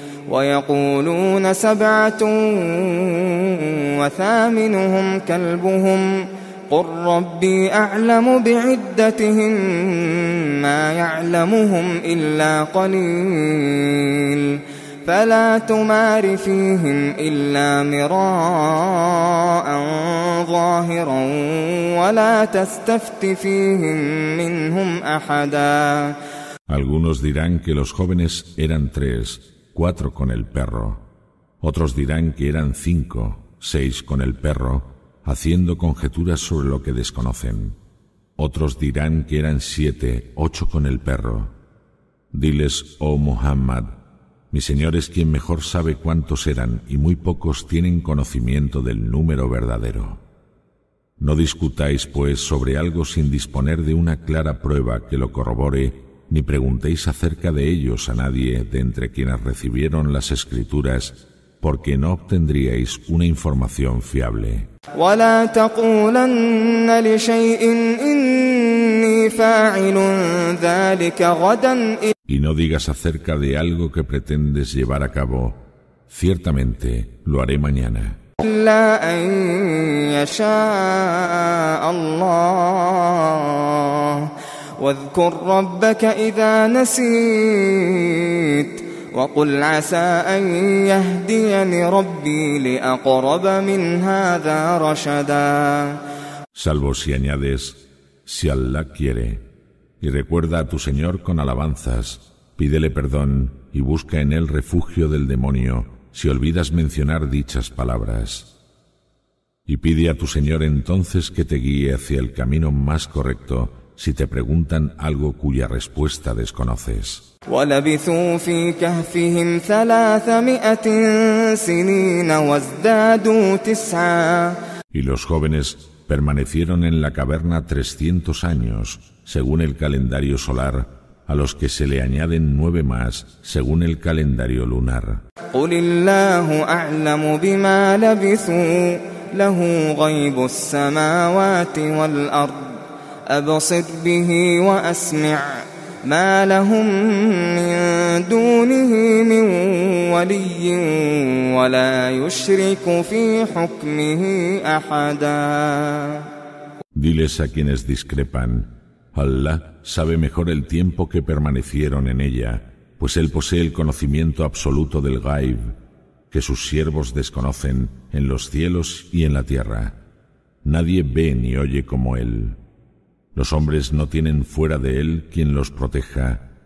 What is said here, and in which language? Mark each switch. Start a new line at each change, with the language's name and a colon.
Arabic: ويقولون سبعة وثامنهم كلبهم قل ربي أعلم بعدتهم ما يعلمهم إلا قليل فلا تمار فيهم إلا مراء ظاهرا ولا تستفت فيهم منهم أحدا.
Spanish: Algunos dirán que los jóvenes eran tres, cuatro con el perro. Otros dirán que eran cinco, seis con el perro, haciendo conjeturas sobre lo que desconocen. Otros dirán que eran siete, ocho con el perro. Diles, oh Muhammad, mi Señor es quien mejor sabe cuántos eran y muy pocos tienen conocimiento del número verdadero. No discutáis, pues, sobre algo sin disponer de una clara prueba que lo corrobore, ni preguntéis acerca de ellos a nadie de entre quienes recibieron las Escrituras, porque no obtendríais una información fiable.
Arabic: ولا تقولن لشيء إني فاعل ذلك غدا.
Spanish: Y no digas acerca de algo que pretendes llevar a cabo. Ciertamente lo haré mañana.
Arabic: إلا أن يشاء الله. واذكر ربك إذا نسيت. وَقُلْ عَسَىٰ أَنْ يَهْدِيَنِ رَبِّي لِأَقْرَبَ مِنْ هَذَا رَشَدًا.
Spanish: Salvo si añades, si Allah quiere, y recuerda a tu Señor con alabanzas, pídele perdón y busca en él refugio del demonio si olvidas mencionar dichas palabras. Y pide a tu Señor entonces que te guíe hacia el camino más correcto si te preguntan algo cuya respuesta desconoces.
Arabic: ولبثوا في كهفهم ثلاثمائة سنين وازدادوا تسعا.
Spanish: Y los jóvenes permanecieron en la caverna 300 años, según el calendario solar, a los que se le añaden 9 más, según el calendario lunar.
Arabic: قل الله أعلم بما لبثوا له غيب السماوات والأرض أبصر به وأسمع ما لهم من دونه من ولي ولا يشرك في حكمه أحدا.
Spanish: Diles a quienes discrepan: Alá sabe mejor el tiempo que permanecieron en ella, pues él posee el conocimiento absoluto del ghaib, que sus siervos desconocen en los cielos y en la tierra. Nadie ve ni oye como él. Los hombres no tienen fuera de él quien los proteja,